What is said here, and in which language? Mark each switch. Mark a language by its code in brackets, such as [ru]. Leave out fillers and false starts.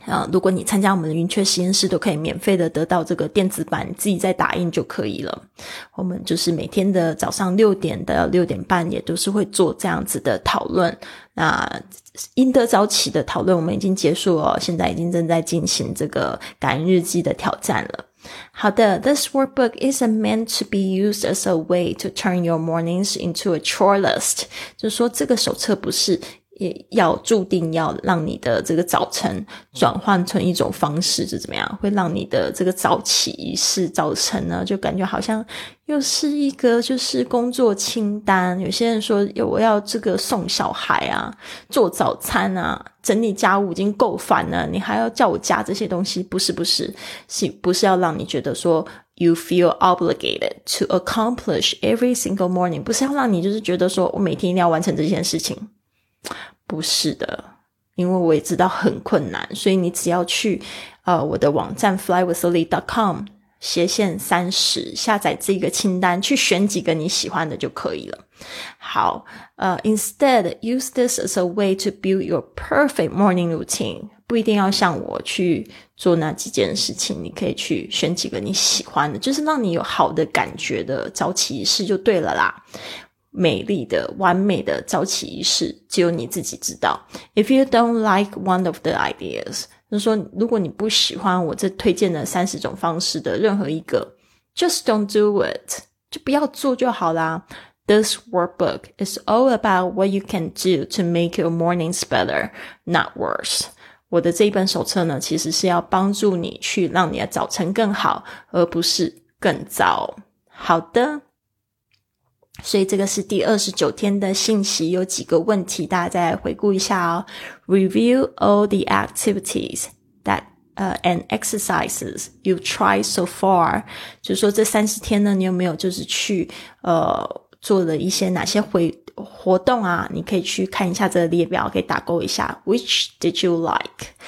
[zh] 如果你参加我们的云雀实验室，都可以免费的得到这个电子版，你自己再打印就可以了。我们就是每天的早上六点的六点半，也都是会做这样子的讨论。那赢得早起的讨论我们已经结束了，现在已经正在进行这个感恩日记的挑战了。好的， [en] This workbook isn't meant to be used as a way to turn your mornings into a chore list. [zh] 就是说这个手册不是也要注定要让你的这个早晨转换成一种方式，是怎么样会让你的这个早起仪式早晨呢，就感觉好像又是一个就是工作清单。有些人说我要这个送小孩啊，做早餐啊，整理家务已经够烦了，你还要叫我加这些东西。不是不是，是不是要让你觉得说 [en] you feel obligated to accomplish every single morning， [zh] 不是要让你就是觉得说我每天一定要完成这件事情。不是的，因为我也知道很困难，所以你只要去我的网站 flywithlily.com/30下载这个清单，去选几个你喜欢的就可以了。 [en] 好，instead use this as a way to build your perfect morning routine。 [zh] 不一定要像我去做那几件事情，你可以去选几个你喜欢的，就是让你有好的感觉的早起仪式就对了啦。美丽的完美的早起仪式只有你自己知道。 [en] If you don't like one of the ideas， [zh] 就是说如果你不喜欢我这推荐的30种方式的任何一个， [en] just don't do it， [zh] 就不要做就好啦。 [en] This workbook is all about what you can do to make your mornings better, not worse。 [zh] 我的这一本手册呢，其实是要帮助你去让你的早晨更好，而不是更糟。好的，所以这个是第29天的信息，有几个问题大家再来回顾一下哦。 [en] Review all the activities that, and exercises you've tried so far， [zh] 就是说这30天呢，你有没有就是去做了一些哪些活动啊，你可以去看一下这个列表，可以打勾一下 [en] Which did you like。